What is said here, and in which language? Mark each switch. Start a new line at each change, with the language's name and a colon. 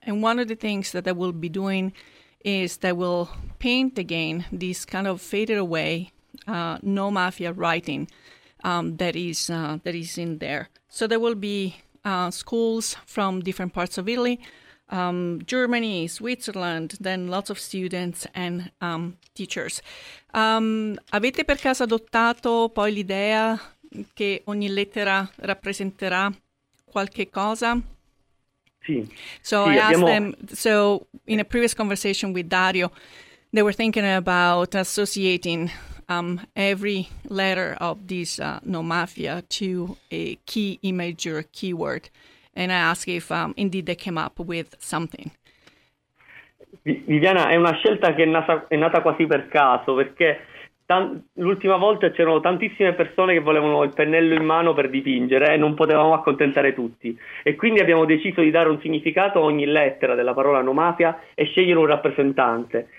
English: And one of the things that they will be doing is they will paint again this kind of faded away no mafia writing that is in there. So there will be schools from different parts of Italy, Germany, Switzerland, then lots of students and teachers.
Italian: Avete per caso adottato poi l'idea che ogni lettera rappresenterà qualche cosa? Sì.
English: So
Italian: sì,
English: I asked
Italian: abbiamo...
English: them, so in a previous conversation with Dario, they were thinking about associating every letter of this No Mafia to a key image or a keyword. And I asked if indeed they came up with something.
Italian: Viviana, è una scelta che è nata quasi per caso, perché l'ultima volta c'erano tantissime persone che volevano il pennello in mano per dipingere e non potevamo accontentare tutti. E quindi abbiamo deciso di dare un significato a ogni lettera della parola No Mafia e scegliere un rappresentante.